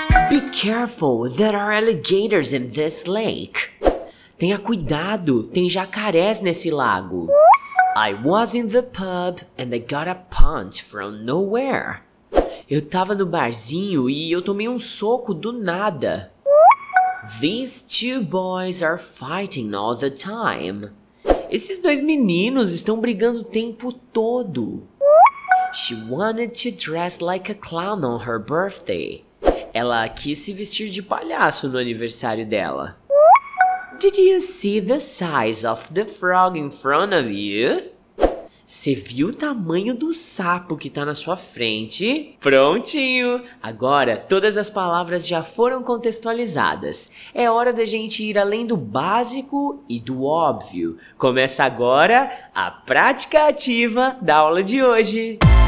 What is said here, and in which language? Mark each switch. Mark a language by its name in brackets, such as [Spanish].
[English] Be careful, there are alligators in this lake. [Portuguese] Tenha cuidado, tem jacarés nesse lago. [English] I was in the pub and I got a punch from nowhere. [Portuguese] Eu tava no barzinho e eu tomei um soco do nada. [English] These two boys are fighting all the time. [Portuguese] Esses dois meninos estão brigando o tempo todo. [English] She wanted to dress like a clown on her birthday. [Portuguese] Ela quis se vestir de palhaço no aniversário dela. [English] Did you see the size of the frog in front of you? [Portuguese] Você viu o tamanho do sapo que tá na sua frente? Prontinho! Agora, todas as palavras já foram contextualizadas. É hora da gente ir além do básico e do óbvio. Começa agora a prática ativa da aula de hoje.